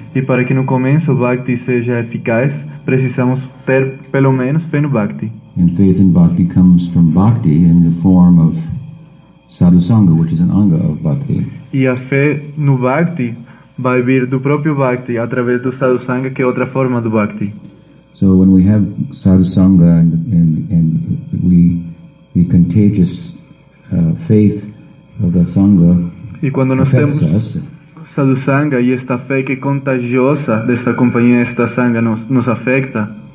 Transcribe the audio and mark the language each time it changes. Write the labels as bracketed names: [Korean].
[Portuguese] E para que no começo Bhakti seja eficaz, precisamos ter pelo menos fé no Bhakti. [English] And faith in Bhakti comes from Bhakti in the form of sadhu sangha, which is an anga of Bhakti. [Portuguese] E a fé no Bhakti vai vir do próprio Bhakti, através do sadhu sangha, que é outra forma do Bhakti. [English] So when we have sadhu sangha and we contagious faith of the sangha, [Portuguese] e quando nós temos sadhu sangha e esta fé que é contagiosa desta companhia, esta sangha nos afeta,